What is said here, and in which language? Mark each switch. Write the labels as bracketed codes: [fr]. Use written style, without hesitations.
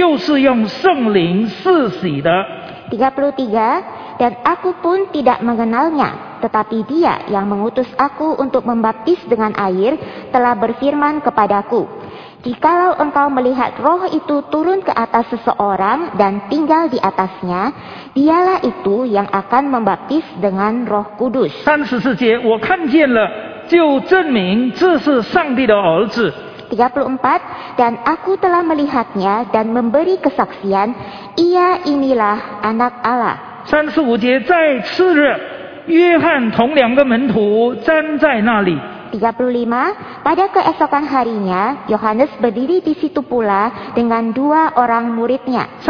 [zh] 33节，我先前不认识他，只是那差我来用水施洗的对我说：“你看见圣灵降下来，住在谁的身上，谁就是用圣灵施洗的。” [id] 33, dan aku pun tidak mengenalnya. Tetapi dia yang mengutus aku untuk membaptis dengan air telah berfirman kepadaku, jikalau engkau melihat roh itu turun ke atas seseorang dan tinggal di atasnya, dialah itu yang akan membaptis dengan roh kudus. [zh] 34节，我看见了，就证明这是上帝的儿子。 [id] 34, dan aku telah melihatnya dan memberi kesaksian, ia inilah anak Allah. [zh] 35节，再次日。约翰同两个门徒站在那里。 [id] 35, pada keesokan harinya, Yohanes berdiri di situ pula dengan dua orang muridnya.